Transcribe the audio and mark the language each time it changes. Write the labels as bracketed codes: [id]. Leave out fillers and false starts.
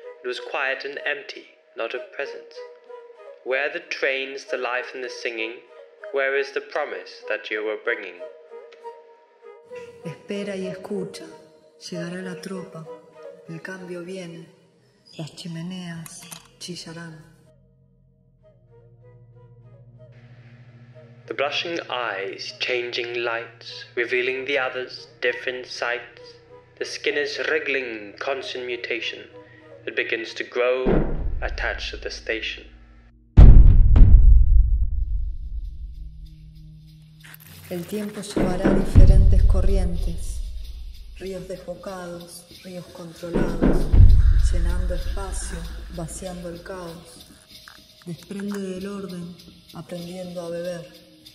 [en] It was quiet and empty, not a presence. Where are the trains, the life and the singing? Where is the promise that you were bringing? [es] Espera y escucha, llegará la tropa, el cambio viene, las chimeneas chillarán. [en] The blushing eyes, changing lights, revealing the others, different sights. The skin is wriggling, constant mutation. It begins to grow, attached to the station. [es] El tiempo llevará diferentes corrientes, ríos desbocados, ríos controlados, llenando espacio, vaciando el caos. Desprende del orden, aprendiendo a beber.